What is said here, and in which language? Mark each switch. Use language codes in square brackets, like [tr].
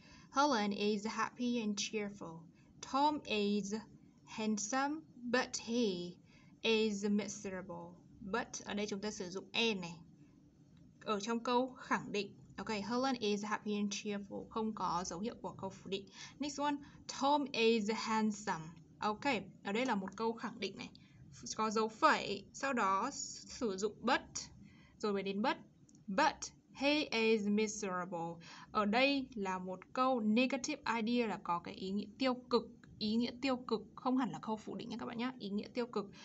[en] Helen is happy and cheerful. Tom is handsome, but he is miserable. [vi] But ở đây chúng ta sử dụng and này. Ở trong câu khẳng định. [en] Ok, Helen is happy and cheerful. [vi] Không có dấu hiệu của câu phủ định. [en] Next one, Tom is handsome. [vi] Ok, ở đây là một câu khẳng định này. Có dấu phẩy, sau đó sử dụng but. Rồi mới đến but. [en] But, he is miserable. [vi] Ở đây là một câu [en] negative idea, [vi] là có cái ý nghĩa tiêu cực. Ý nghĩa tiêu cực, không hẳn là câu phủ định nha các bạn nhé. Ý nghĩa tiêu cực.